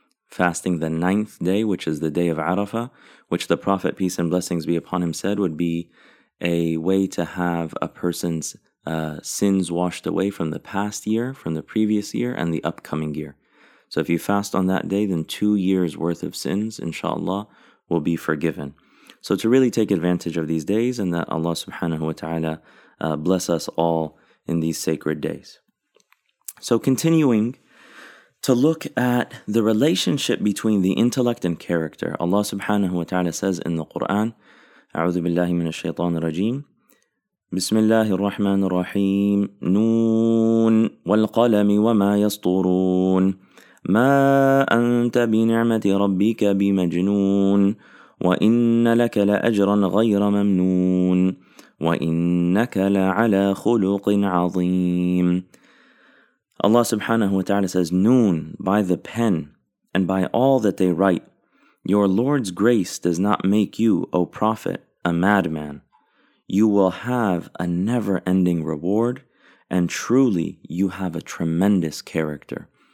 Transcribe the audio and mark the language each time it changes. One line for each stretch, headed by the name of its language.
English: Fasting the 9th day, which is the day of Arafah, which the Prophet, peace and blessings be upon him, said would be a way to have a person's sins washed away from the past year, from the previous year, and the upcoming year. So if you fast on that day, then 2 years worth of sins, inshallah, will be forgiven. So to really take advantage of these days, and that Allah subhanahu wa ta'ala bless us all in these sacred days. So continuing to look at the relationship between the intellect and character, Allah subhanahu wa ta'ala says in the Quran,
Arabic: أعوذ بالله من الشيطان الرجيم بسم الله الرحمن الرحيم نون والقلم وما يسطرون ما أنت بنعمة ربك بمجنون وإن لك لأجرا غير ممنون وإنك لعلى خلق عظيم.
English: Allah subhanahu wa ta'ala says, Noon, by the pen and by all that they write, your Lord's grace does not make you, O Prophet, a madman. You will have a never-ending reward, and truly you have a tremendous character.